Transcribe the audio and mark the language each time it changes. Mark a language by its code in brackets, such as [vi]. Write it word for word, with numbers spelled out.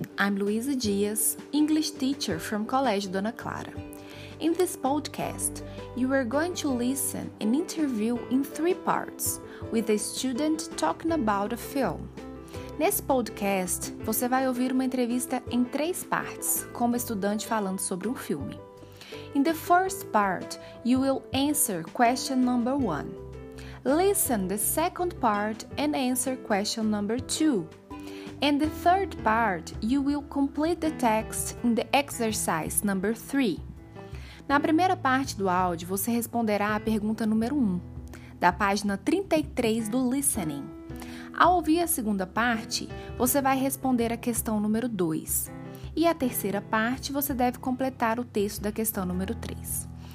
[en] I'm Luísa Dias, English teacher from Colégio Dona Clara. In this podcast, you are going to listen an interview in three parts with a student talking about a film. [pt] Nesse podcast, você vai ouvir uma entrevista em três partes, com uma estudante falando sobre um filme. [en] In the first part, you will answer question number one. Listen the second part and answer question number two. And the third part, you will complete the text in the exercise number three. [pt] Na primeira parte do áudio, você responderá a pergunta número um, da página trinta e três do Listening. Ao ouvir a segunda parte, você vai responder a questão número dois. E a terceira parte, você deve completar o texto da questão número três.